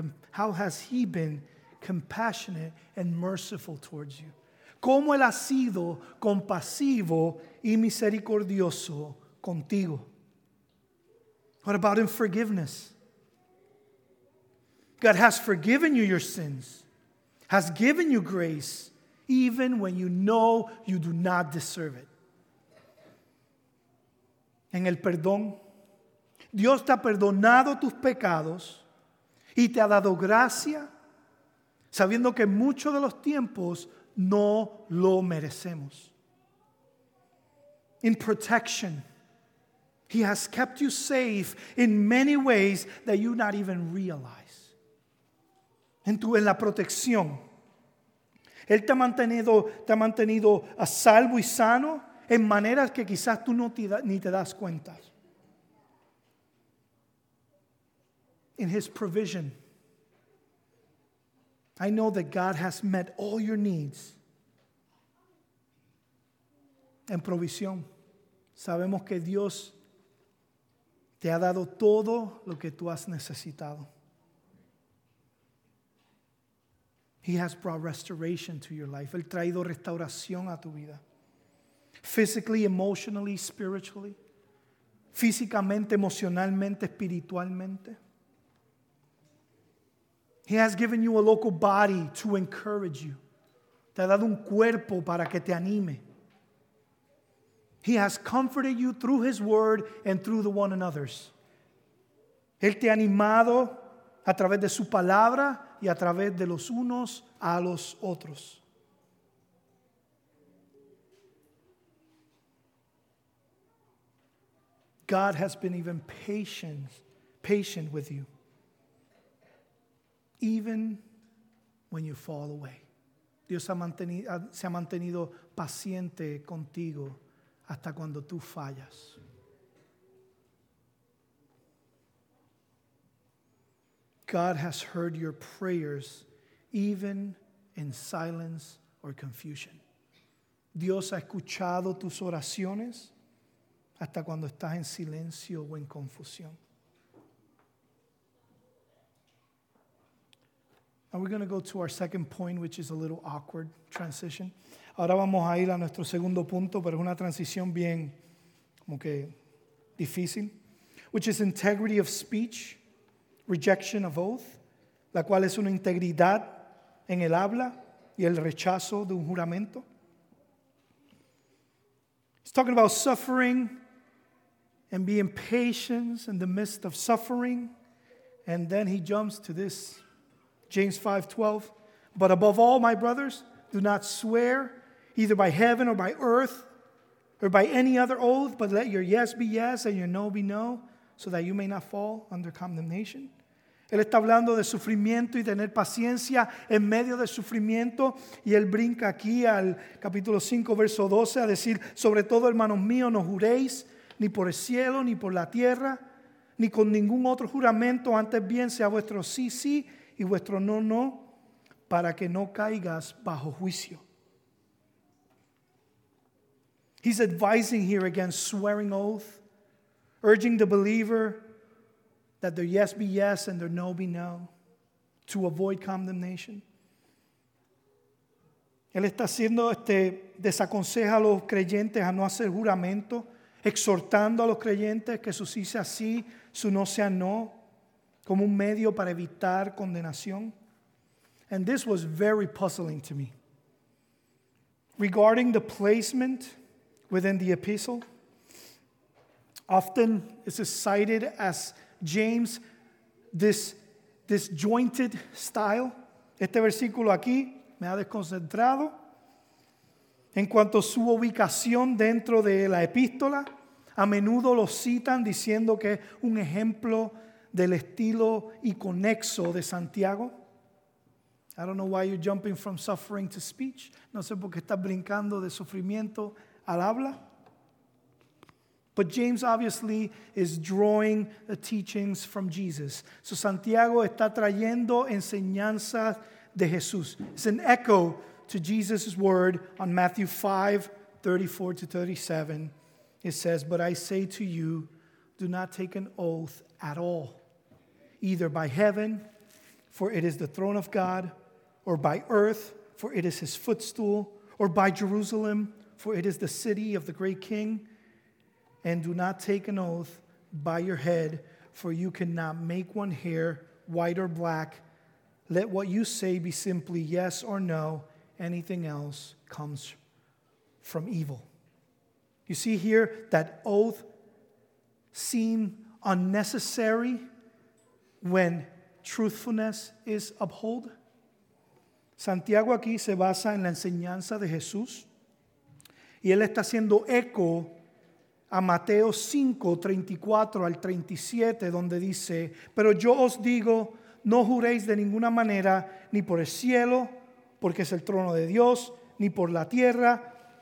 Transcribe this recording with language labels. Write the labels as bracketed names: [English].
[English] How has he been compassionate and merciful towards you? [Spanish] ¿Cómo él ha sido compasivo y misericordioso contigo? [English] What about in forgiveness? God has forgiven you your sins, has given you grace, even when you know you do not deserve it. [Spanish] En el perdón, Dios te ha perdonado tus pecados y te ha dado gracia, sabiendo que muchos de los tiempos no lo merecemos. [English] In protection, he has kept you safe in many ways that you not even realize. [Spanish] En la protección. Él te ha mantenido a salvo y sano en maneras que quizás tú ni te das cuenta. [English] In his provision. I know that God has met all your needs. [Spanish] en provisión. Sabemos que Dios te ha dado todo lo que tú has necesitado. [English] He has brought restoration to your life. [Spanish] Él ha traído restauración a tu vida. [English] Physically, emotionally, spiritually. [Spanish] Físicamente, emocionalmente, espiritualmente. [English] He has given you a local body to encourage you. [Spanish] Te ha dado un cuerpo para que te anime. [English] He has comforted you through his word and through the one another's. [Spanish] Él te ha animado a través de su palabra y a través de los unos a los otros. [English] God has been even patient with you, even when you fall away. [Spanish] Dios se ha mantenido paciente contigo hasta cuando tú fallas. [English] God has heard your prayers even in silence or confusion. [Spanish] Dios ha escuchado tus oraciones hasta cuando estás en silencio o en confusión. [English] Now we're going to go to our second point, which is a little awkward transition. [Spanish] Ahora vamos a ir a nuestro segundo punto, pero es una transición bien como que difícil, [English] which is integrity of speech, rejection of oath, [Spanish] la cual es una integridad en el habla y el rechazo de un juramento. [English] It's talking about suffering and being patient in the midst of suffering. And then he jumps to this, James 5:12. But above all, my brothers, do not swear either by heaven or by earth or by any other oath, but let your yes be yes and your no be no, so that you may not fall under condemnation. [Spanish] Él está hablando de sufrimiento y tener paciencia en medio de sufrimiento. Y él brinca aquí al capítulo 5, verso 12, a decir, sobre todo, hermanos míos, no juréis ni por el cielo, ni por la tierra, ni con ningún otro juramento, antes bien sea vuestro sí, sí, y vuestro no, no, para que no caigas bajo juicio. [English] He's advising here against swearing oath, urging the believer that their yes be yes and their no be no, to avoid condemnation. [Spanish] Él está haciendo desaconseja a los creyentes a no hacer juramento, exhortando a los creyentes que su sí sea sí, su no sea no, como un medio para evitar condenación. [English] And this was very puzzling to me. Regarding the placement within the epistle, often it's cited as James, this disjointed style. [Spanish] Este versículo aquí me ha desconcentrado. En cuanto a su ubicación dentro de la epístola, a menudo lo citan diciendo que es un ejemplo del estilo iconexo de Santiago. [English] I don't know why you're jumping from suffering to speech. [Spanish] No sé por qué estás brincando de sufrimiento al habla. [English] But James obviously is drawing the teachings from Jesus. [Spanish] So Santiago está trayendo enseñanzas de Jesús. [English] It's an echo to Jesus' word on Matthew 5, 34 to 37. It says, but I say to you, do not take an oath at all, either by heaven, for it is the throne of God, or by earth, for it is his footstool, or by Jerusalem, for it is the city of the great king. And do not take an oath by your head, for you cannot make one hair white or black. Let what you say be simply yes or no. Anything else comes from evil. You see here that oath seem unnecessary when truthfulness is uphold. [Spanish] Santiago aquí se basa en la enseñanza de Jesús. Y él está haciendo eco a Mateo 5, 34 al 37, donde dice, pero yo os digo, no juréis de ninguna manera, ni por el cielo, porque es el trono de Dios, ni por la tierra,